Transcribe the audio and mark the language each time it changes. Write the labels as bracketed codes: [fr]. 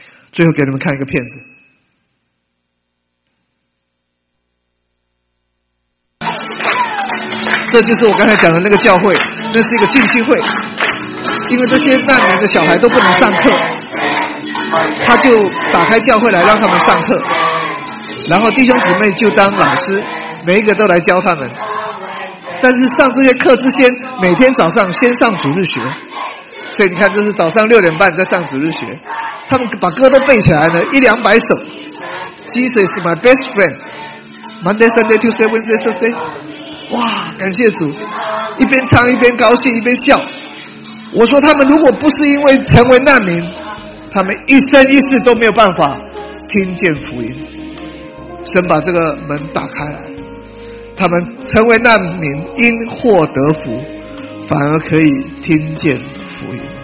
[zh] 最后给你们看一个片子，这就是我刚才讲的那个教会，那是一个浸信会，因为这些难民的小孩都不能上课，他就打开教会来让他们上课，然后弟兄姊妹就当老师，每一个都来教他们。但是上这些课之前，每天早上先上主日学，所以你看这是早上六点半在上主日学，他们把歌都背起来了，一两百首。 [en] Jesus is my best friend Monday, Sunday, Tuesday, Wednesday, Thursday。 [zh] 哇，感谢主，一边唱一边高兴一边笑。我说他们如果不是因为成为难民，他们一生一世都没有办法听见福音。神把这个门打开来，他们成为难民，因祸得福，反而可以听见福音。